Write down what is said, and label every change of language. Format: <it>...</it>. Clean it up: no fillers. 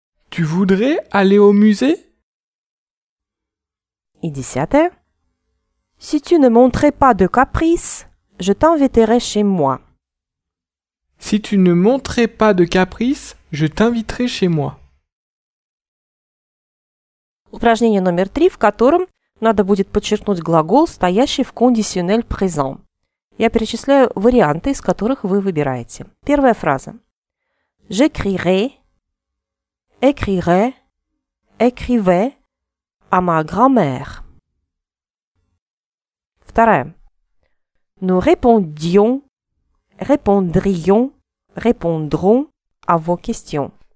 <fr>Tu voudrais aller au musée?</fr> <ru>Et десятое.</ru> <fr>Si tu ne montrais pas de caprice, je t'inviterais chez moi. Si tu ne montrais pas de caprice, je t'inviterais chez moi.</fr> <ru>Упражнение номер 3, в котором надо будет подчеркнуть глагол, стоящий в кондиционал présent. Я перечисляю варианты, из которых вы выбираете. Первая фраза.</ru> <fr>J'écrirai, écrirai, écrivai à ma grand-mère.</fr> <ru>Вторая.</ru> <fr>Nous répondions, répondrions, répondrons à vos questions.</fr>